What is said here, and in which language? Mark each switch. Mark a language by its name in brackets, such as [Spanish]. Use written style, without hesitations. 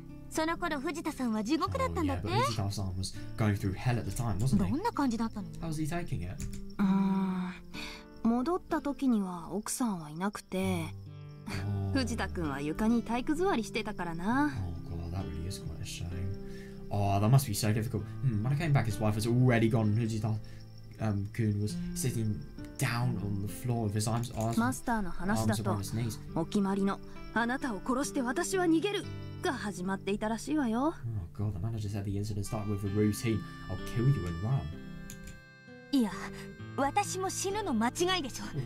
[Japanese] その頃藤田さんは地獄だったんだって。 [English] Oh, yeah, but Fujita-san was going through hell at the time, wasn't he? [Japanese] どんな感じだったの? [English] How was he taking it? [Japanese] 戻った時には奥さんはいなくて、oh. 藤田くんは床に体育座りしてたからな。 [English] Oh god, that really is quite a shame. Oh, that must be so difficult. When I came back, his wife was already gone. Fujita-kun was sitting down on the floor of his arms. Oh, [Japanese] マスターの話だと、お決まりのあなたを殺して私は逃げる。が始まっていたらしいわよ。 [English] Oh god, the manager said the incident started with a routine. I'll kill you and run. [Japanese] いや、私も死ぬの間違いでしょ。